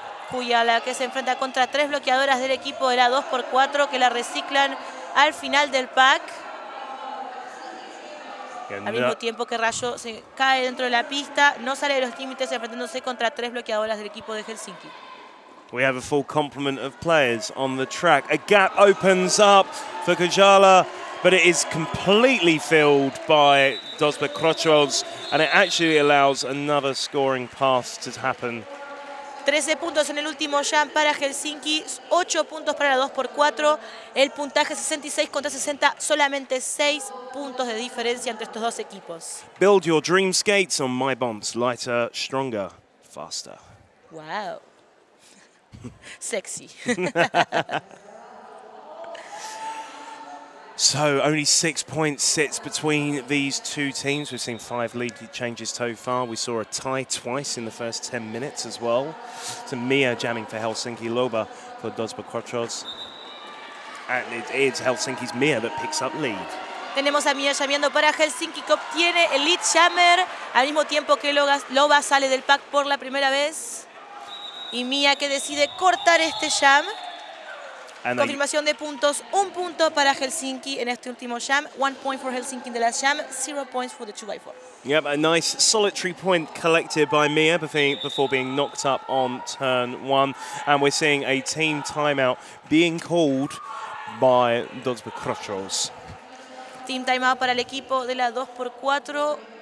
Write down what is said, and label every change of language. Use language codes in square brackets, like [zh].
[es] Cuya la que se enfrenta contra tres bloqueadoras del equipo era 2x4 que la reciclan al final del pack. Al mismo tiempo que Rayo se cae dentro de la pista, no sale de los límites enfrentándose contra tres bloqueadoras del equipo de Helsinki. [en] We have a full complement of players on the track. A gap opens up for Kujala, but it is completely filled by Dosba Krochovs, and it actually allows another scoring pass to happen. [es] 13 puntos en el último jam para Helsinki, 8 puntos para la 2x4, el puntaje 66 contra 60, solamente 6 puntos de diferencia entre estos dos equipos. [en] Build your dream skates on my bombs, lighter, stronger, faster. Wow. Sexy. So only 6 points sits between these two teams. We've seen 5 lead changes so far. We saw a tie twice in the first 10 minutes as well. So Mia jamming for Helsinki, Loba for Dosba Krochovs. And it is Helsinki's Mia that picks up lead. [es] Tenemos a Mia jamming para Helsinki, que obtiene el lead jammer al mismo tiempo que Loba sale del pack por la primera vez. Y Mia que decide cortar este jam. And confirmación de puntos, 1 punto para Helsinki en este último jam, [en] 1 point for Helsinki in the last jam, [es] 0 points for the 2x4. [en] Yep, a nice solitary point collected by Mia before being knocked up on turn one. And we're seeing a team timeout being called by Dosba Krochovs. [es] Team timeout para el equipo de la 2x4.